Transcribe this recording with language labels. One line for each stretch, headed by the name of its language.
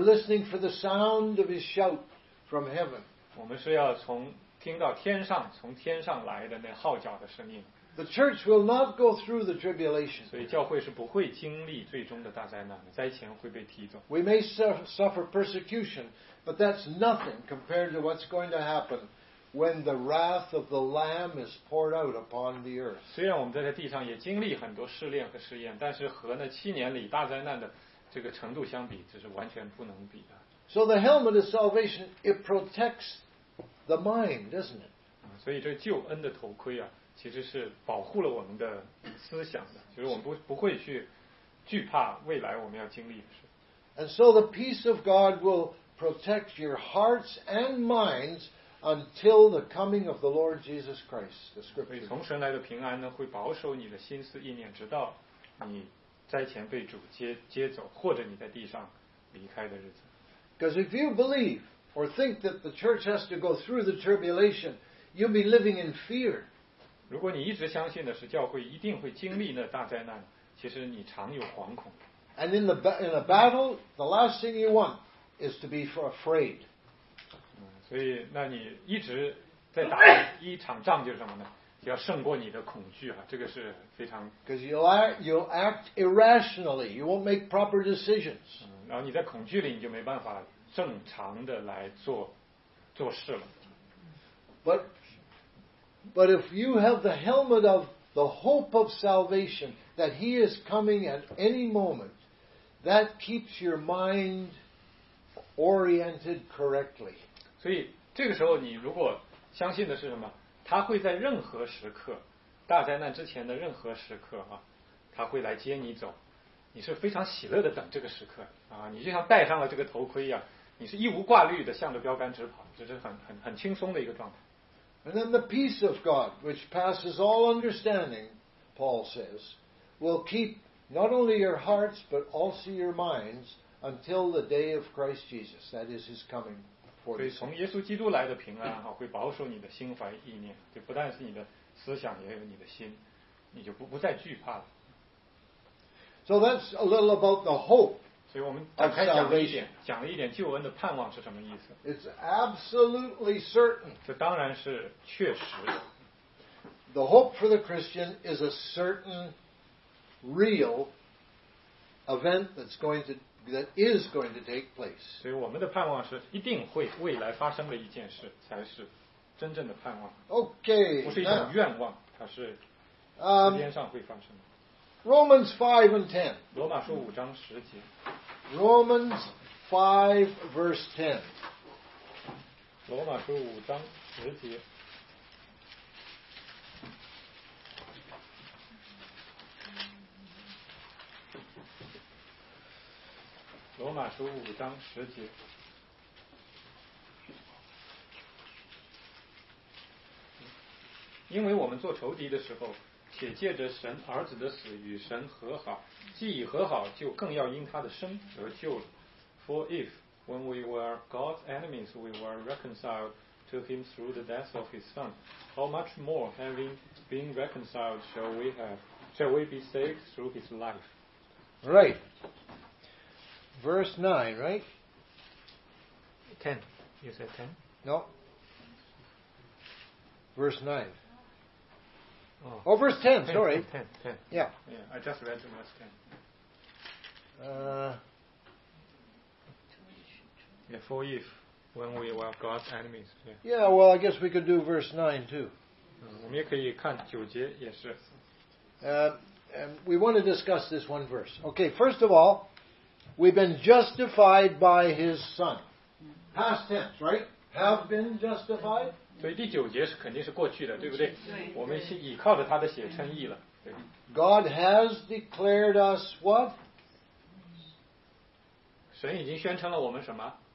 English: We're listening for the sound of his shout from heaven.
Chinese: 我们是要听到天上从天上来的那号角的声音。
English: The church will not go through the tribulation.
Chinese: 所以教会是不会经历最终的大灾难的，灾前会被提走。
English: We may suffer persecution, but that's nothing compared to what's going to happen. When the wrath of the Lamb is poured out upon the earth.
Chinese: 虽然我们在地上也经历很多试炼和试验，但是和那七年里大灾难的这个程度相比，这是完全不能比的。
English: So the helmet of salvation it protects the mind, doesn't it?
Chinese: 所以这救恩的头盔啊，其实是保护了我们的思想的，就是我们不会去惧怕未来我们要经历的事。
English: And so the peace of God will protect your hearts and minds. Until the coming of the Lord Jesus Christ, the Scripture.
Chinese: 从神来的平安呢，会保守你的心思意念，直到你灾前被主接走，或者你在地上离开的日子。
English: Because if you believe or think that the church has to go through the tribulation, you'll be living in fear.
Chinese: 如果你一直相信的是教会一定会经历那大灾难，其实你常有惶恐。
English: And in a battle, the last thing you want is to be afraid.
Chinese: 所以那你一直在打一场仗就是什么呢要胜过你的恐惧啊，这个是非常
English: Because you'll act irrationally, you won't make proper decisions.
Chinese: 然后你在恐惧里你就没办法正常的来做事了。
English: But if you have the helmet of the hope of salvation, that he is coming at any moment, that keeps your mind oriented correctly.
Chinese: 所以这个时候你如果相信的是什么他会在任何时刻大灾难之前的任何时刻啊，他会来接你走你是非常喜乐的等这个时刻啊，你就像戴上了这个头盔一样你是一无挂虑的向着标杆直跑这是很轻松的一个状态
English: And then the peace of God, which passes all understanding, Paul says, will keep not only your hearts, but also your minds until the day of Christ Jesus. That is his coming.
Chinese: 所以从耶稣基督来的平安啊，会保守你的心怀意念，就不但是你的思想，也有你的心，你就不再惧怕了。
English: So that's a little about the hope.
Chinese: 所以我们展开讲了一点，讲了一点救恩的盼望是什么意思。
English: It's absolutely certain.
Chinese: 这当然是确实的。
English: The hope for the Christian is a certain, real event that is going to take place.
Chinese: 所以我们的盼望是一定会未来发生的一件事才是真正的盼望。
English: Okay.
Chinese: 不是一种愿望，它是时间上会发生的。
English: Romans 5 and 10.
Chinese: 罗马书五章十节。
English: Romans 5 verse 10.
Chinese: 罗马书五章十节。罗马书五章十节。因为我们做仇敌的时候，且借着神儿子的死与神和好，既已和好，就更要因他的生得救了。
English: For if, when we were God's enemies, we were reconciled to him through the death of his son, how much more, having been reconciled, shall we be saved through his life? Right. Verse 9, right? 10. You said 10? No. Verse 9. Oh, verse 10, sorry. 10. Yeah. Yeah, I just read the verse 10. Yeah, for if, when we were God's enemies. Yeah, well, I guess we could do verse 9 too.
Chinese: 我们也可以看九节也是。
English: And we want to discuss this one verse. Okay, first of all, we've been justified by his son. Past tense, right? Have been justified.
Chinese: 所以第九节是肯定是过去的，对不对？我们是倚靠着他的血称义了。
English: God has declared us what?
Chinese: 神已经宣称了我们什么？